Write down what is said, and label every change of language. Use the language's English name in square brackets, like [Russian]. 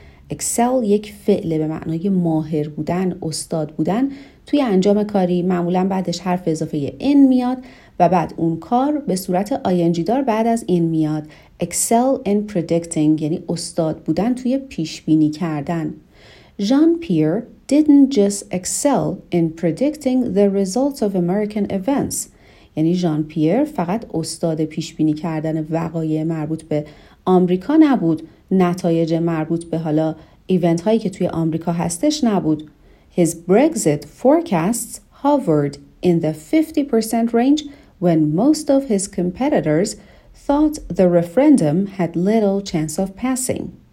[Persian] Excel یک فعل به معنای ماهر بودن، استاد بودن. توی انجام کاری معمولا بعدش حرف اضافه in میاد و بعد اون کار به صورت ing دار بعد از in میاد. [English] Excel in predicting [Persian] یعنی استاد بودن توی پیش بینی کردن. Jean-Pierre [English] didn't just excel in predicting the results of American events. [Persian] یعنی ژان پیر فقط استاد پیش بینی کردن وقایع مربوط به آمریکا نبود، نتایج مربوط به حالا ایونت هایی که توی آمریکا هستش نبود. [English] His Brexit forecasts hovered in the 50% range when most of his competitors thought the referendum had little chance of passing.